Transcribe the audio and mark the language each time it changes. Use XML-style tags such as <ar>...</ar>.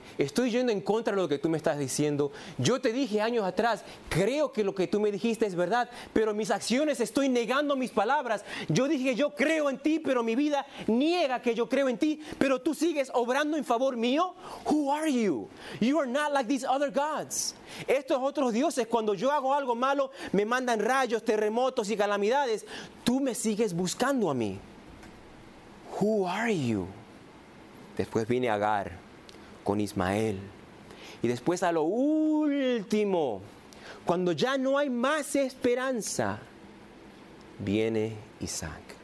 <es>Estoy yendo en contra de lo que tú me estás diciendo. Yo te dije años atrás, creo que lo que tú me dijiste es verdad, pero mis acciones estoy negando mis palabras. Yo dije, yo creo en ti, pero mi vida niega que yo creo en ti, pero tú sigues obrando en favor mío.</es> <en>Who are you? You are not like these other gods.</en> <es>Estos otros dioses, cuando yo hago algo malo, me mandan rayos, terremotos y calamidades. Tú me sigues buscando a mí.</es> <en>Who are you?</en> <es>Después viene Agar con Ismael. Y después a lo último, cuando ya no hay más esperanza, viene Isaac.</es>